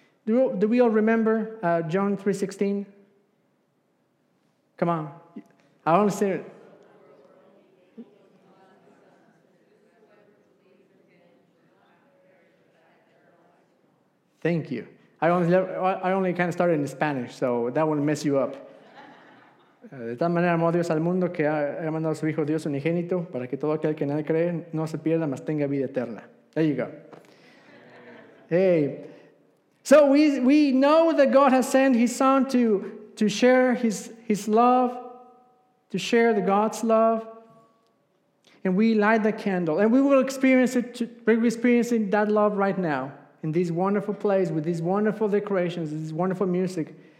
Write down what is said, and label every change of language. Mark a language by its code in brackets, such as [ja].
[en] Do we all remember John 3:16? Come on. I only said it. Thank you. I only kind of started in Spanish, so that won't mess you up. [es] De tal manera amó Dios al mundo que ha mandado a su Hijo Dios unigénito para que todo aquel que en él cree no se pierda, mas tenga vida eterna. [en] There you go. Hey. So we know that God has sent his Son to share his love, to share the God's love. And we light the candle. And we will experience it, we're experiencing that love right now in this wonderful place with these wonderful decorations, this wonderful music.